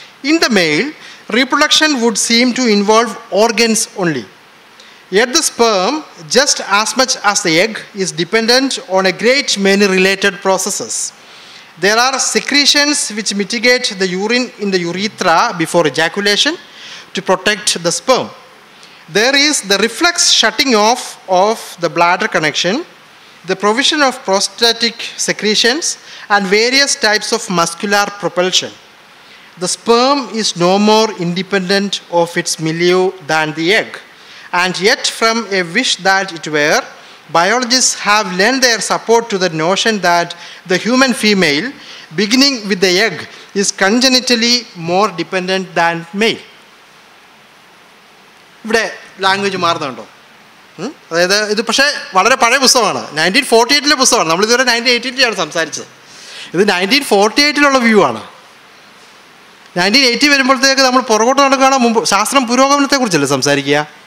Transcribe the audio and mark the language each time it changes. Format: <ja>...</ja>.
<en>In the male reproduction would seem to involve organs only. Yet the sperm just as much as the egg is dependent on a great many related processes. There are secretions which mitigate the urine in the urethra before ejaculation to protect the sperm. There is the reflex shutting off of the bladder connection, the provision of prostatic secretions and various types of muscular propulsion. The sperm is no more independent of its milieu than the egg. And yet from a wish that it were, biologists have lent their support to the notion that the human female, beginning with the egg, is congenitally more dependent than male.</en> <ml>ഇവിടെ language മാറുന്നുണ്ടോ? അതായത് ഇത് പക്ഷേ വളരെ പഴയ പുസ്തകമാണ്, 1948 പുസ്തകമാണ്. നമ്മളിതുവരെ 1980 സംസാരിച്ചത്, ഇത് 1948 വ്യൂ ആണ്. 1980 വരുമ്പോഴത്തേക്ക് നമ്മൾ പുറകോട്ട് നടക്കുകയാണ് മുമ്പ്. ശാസ്ത്രം പുരോഗമനത്തെക്കുറിച്ചല്ലേ സംസാരിക്കുക?</ml>